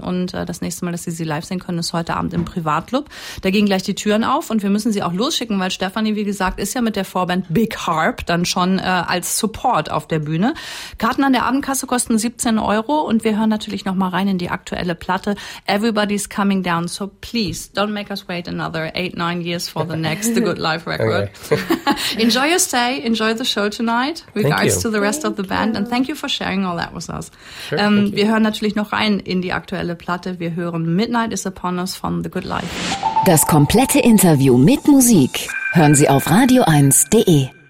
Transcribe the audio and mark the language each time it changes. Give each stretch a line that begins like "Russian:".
German: Und das nächste Mal, dass sie live sehen können, ist heute Abend im Privatclub. Da gehen gleich die Türen auf und wir müssen sie auch losschicken, weil Stefanie, wie gesagt, ist ja mit der Vorband Big Harp dann schon als Support auf der Bühne. Karten an der Abendkasse kosten 17 Euro und wir hören natürlich nochmal rein in die aktuelle Platte.
English: Everybody's coming down, so please don't make us wait another 8-9 years for the next The Good Life record. Okay. Enjoy your stay, enjoy the show tonight. Regards to the rest of the band and thank you for sharing all that with us. Sure,
German: wir hören natürlich noch rein in die aktuelle Platte. Wir hören Midnight is Upon Us von The Good Life. Das komplette Interview mit Musik hören Sie auf radio1.de.